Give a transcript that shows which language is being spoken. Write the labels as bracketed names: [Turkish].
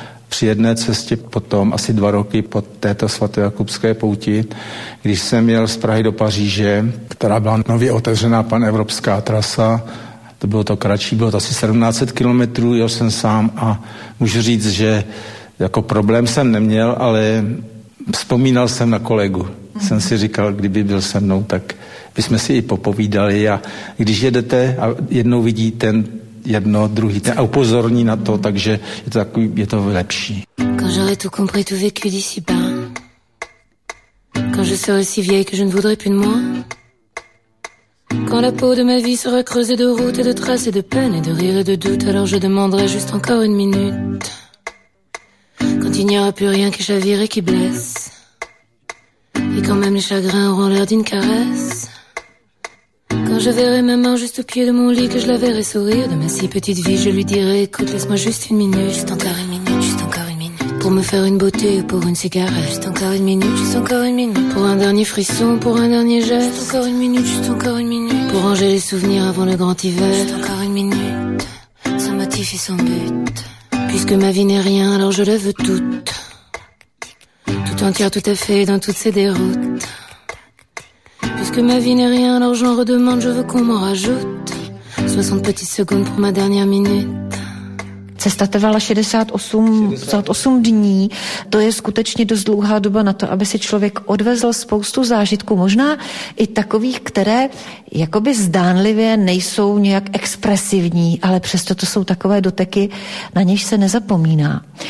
[Czech] při jedné cestě potom, asi 2 roky po této svatojakubské pouti, když jsem jel z Prahy do Paříže, která byla nově otevřená panevropská trasa, to bylo to kratší, bylo to asi 1700 kilometrů, jel jsem sám a můžu říct, že jako problém jsem neměl, ale vzpomínal jsem na kolegu. Jsem si říkal, kdyby byl se mnou, tak bychom si i popovídali a když jedete a jednou vidí ten jedno, druhý ten a upozorní na to, takže je to takový, je to lepší. [French] Quand j'aurai tout compris, tout vécu d'ici bas. Quand je serai si vieille que je ne voudrais plus de moi. Quand la peau de ma vie sera creusée de routes et de traces et de peines et de rires et de doutes, alors je demanderai juste encore une minute. Quand il n'y aura plus rien qui chavire et qui blesse. Et quand même les chagrins auront l'air d'une caresse. Quand je verrai ma main juste au pied de mon lit, que je la verrai sourire de ma si petite vie, je lui dirai, écoute, laisse-moi juste une minute. Juste encore une minute, juste encore une minute. Pour me faire une beauté ou pour une cigarette. Juste encore une minute, juste encore une minute. Pour un dernier frisson, pour un dernier geste. Juste encore une minute, juste encore une minute. Pour ranger les souvenirs avant le grand hiver. Juste encore une minute, sans motif et sans but. Puisque ma vie n'est rien, alors je la veux toute. Tout entière, tout à fait, dans toutes ses déroutes. Puisque ma vie n'est rien, alors j'en redemande, je veux qu'on m'en rajoute. 60 petites secondes pour ma dernière minute. [Czech] Cesta trvala 68 dní. To je skutečně dost dlouhá doba na to, aby si člověk odvezl spoustu zážitků, možná i takových, které jakoby zdánlivě nejsou nějak expresivní, ale přesto to jsou takové doteky, na něž se nezapomíná.